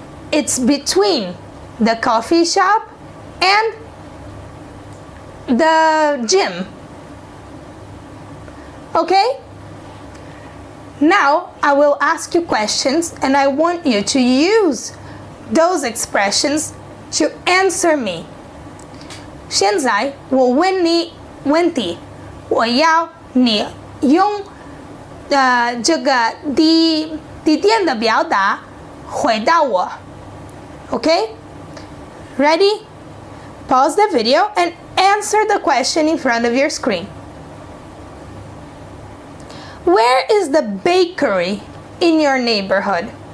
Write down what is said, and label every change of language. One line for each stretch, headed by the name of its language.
English: It's between the coffee shop and the gym. Okay? Now, I will ask you questions and I want you to use those expressions to answer me.
Chinese: 现在我问你问题，我要你用这个地点的表达回答我。
English: Okay? Ready? Pause the video and answer the question in front of your screen. Where is the bakery in your neighborhood?